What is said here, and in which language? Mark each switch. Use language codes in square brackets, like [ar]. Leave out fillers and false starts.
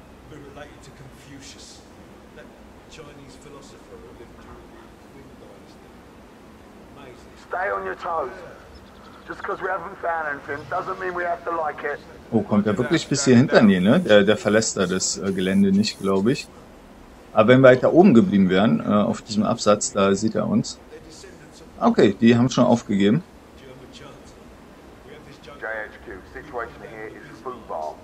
[en] We're related to Confucius, that Chinese philosopher who lived during the Qing dynasty. Amazing. Stay on your toes. Just because we haven't found anything doesn't mean we have to like it. [de] Oh, kommt er wirklich bis hier hinter mir, ne? Der verlässt da das Gelände nicht, glaube ich. Aber wenn wir halt da oben geblieben wären, auf diesem Absatz, da sieht er uns. Okay, die haben schon aufgegeben. [en] JHQ, Situation here is food bomb.